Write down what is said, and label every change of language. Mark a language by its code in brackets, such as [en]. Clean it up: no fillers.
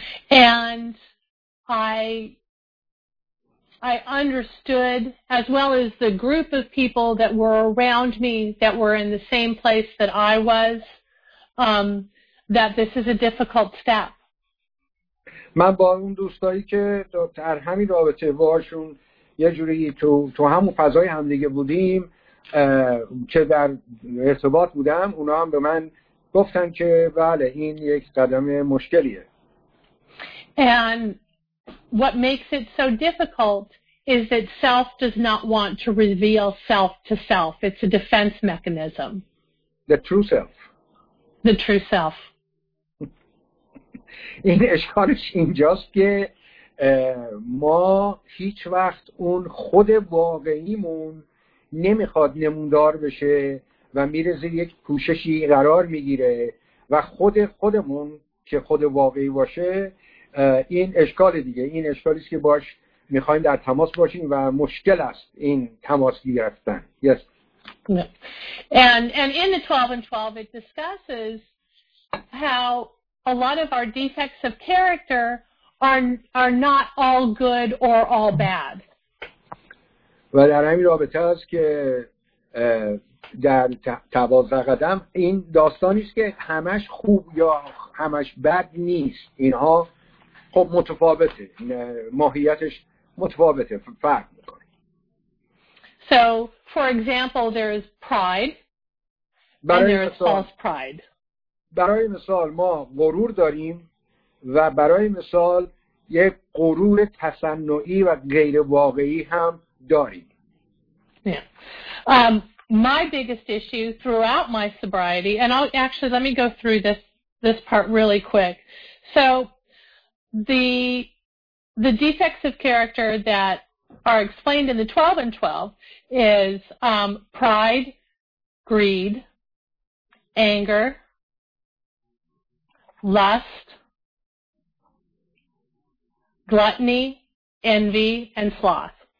[en] And I understood as well as the group of people that were around me that were in the same place that I was that this is a difficult step. [fa] من با اون دوستایی که در همین رابطه باهاشون یه جوری تو همون فضای همدیگه بودیم که در ارتباط بودم، اونا هم به من گفتن که بله این یک قدم مشکلیه. [en] And what makes it so difficult is that self does not want to reveal self to self. It's a defense mechanism. The true self. [fa] این اشکالش اینجاست که ما هیچ وقت اون خود واقعیمون نمیخواد نمودار بشه و میره زیر یک پوششی قرار میگیره و خودمون که خود واقعی باشه، این اشکال دیگه، این اشکالیست که باش میخواییم در تماس باشیم و مشکل است این تماس گرفتن. [en] Yes. And in the 12 and 12 it discusses how a lot of our defects of character are not all good or all bad. [fa] و در همین رابطه است که در 12 قدم این داستانی است که همش خوب یا همش بد نیست. اینها خب متفاوته. ماهیتش متفاوته. فرق می‌کنه. [en] So, for example, there is pride and there is false pride. [fa] برای مثال ما غرور داریم و برای مثال یک غرور تصنعی و غیر واقعی هم داریم. [en] My biggest issue throughout my sobriety, and I'll actually let me go through this part really quick. So the defects of character that are explained in the 12 and 12 is pride, greed, anger, lust, gluttony, envy, and sloth.